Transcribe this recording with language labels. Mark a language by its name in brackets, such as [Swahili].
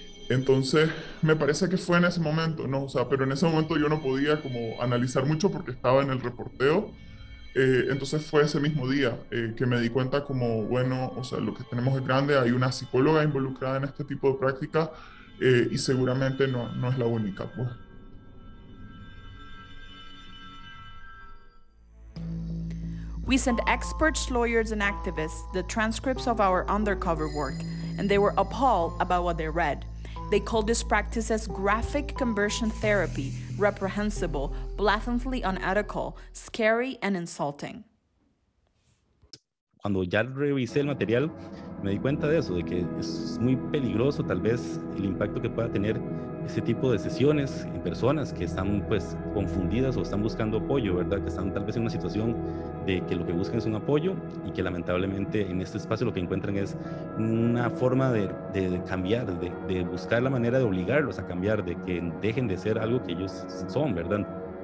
[Spanish] Entonces, me parece que fue en ese momento, ¿no? O sea, pero en ese momento yo no podía como analizar mucho porque estaba en el reporteo. Entonces fue ese mismo día que me di cuenta como, bueno, o sea, lo que tenemos es grande, hay una psicóloga involucrada en este tipo de prácticas y seguramente no es la única, pues. [English] We sent experts, lawyers, and activists the transcripts of our undercover work, and they were appalled about what they read. They called this practice as graphic conversion therapy, reprehensible, blatantly unethical, scary and insulting. [Spanish] Cuando ya revisé el material, me di cuenta de eso, de que es muy peligroso tal vez el impacto que pueda tener ese tipo de sesiones en personas que están pues confundidas o están buscando apoyo, ¿verdad? Que están tal vez en una situación de que lo que buscan es un apoyo y que lamentablemente en este espacio lo que encuentran es una forma de cambiar, de buscar la manera de obligarlos a cambiar, de que dejen de ser algo que ellos son, ¿verdad?